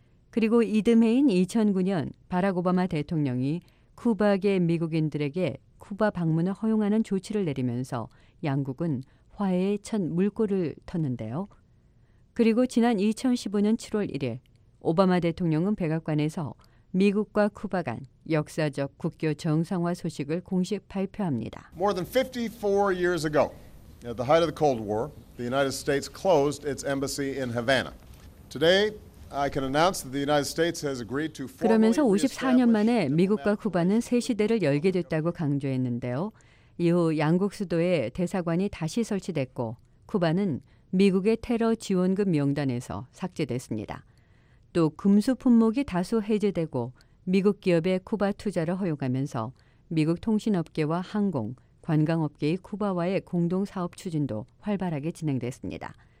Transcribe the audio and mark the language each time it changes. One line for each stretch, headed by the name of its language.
Korean: 그리고 이듬해인 2009년 바락 오바마 대통령이 쿠바계 미국인들에게 쿠바 방문을 허용하는 조치를 내리면서 양국은 화해의 첫 물꼬를 텄는데요. 그리고 지난 2015년 7월 1일 오바마 대통령은 백악관에서 미국과 쿠바 간 역사적 국교 정상화 소식을 공식 발표합니다.
English: More than 54 years ago, at the height of the Cold War, the United States closed its embassy in Havana. Today, I can announce that the United States has agreed to formally.
Korean: 그러면서 54년 만에 미국과 쿠바는 새 시대를 열게 됐다고 강조했는데요. 이후 양국 수도에 대사관이 다시 설치됐고 쿠바는 미국의 테러 지원금 명단에서 삭제됐습니다. 또 금수 품목이 다수 해제되고 미국 기업의 쿠바 투자를 허용하면서 미국 통신업계와 항공, 관광업계의 쿠바와의 공동사업 추진도 활발하게 진행됐습니다.